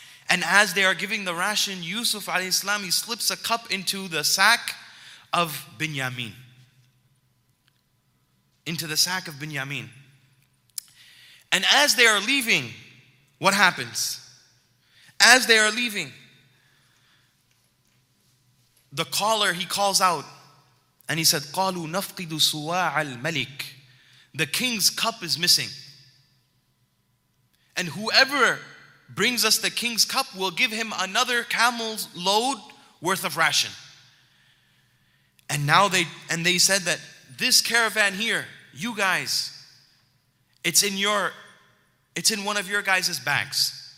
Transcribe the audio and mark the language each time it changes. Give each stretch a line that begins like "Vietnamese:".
English: And as they are giving the ration, Yusuf alayhi salam, he slips a cup into the sack of Binyamin. Into the sack of Binyamin. And as they are leaving, what happens? As they are leaving, the caller, he calls out. And he said,
Arabic: قَالُوا نَفْقِدُ سُوَاعَ الْمَلِكِ.
English: The king's cup is missing. And whoever brings us the king's cup will give him another camel's load worth of ration. And now they said that this caravan here, you guys, it's in one of your guys' bags.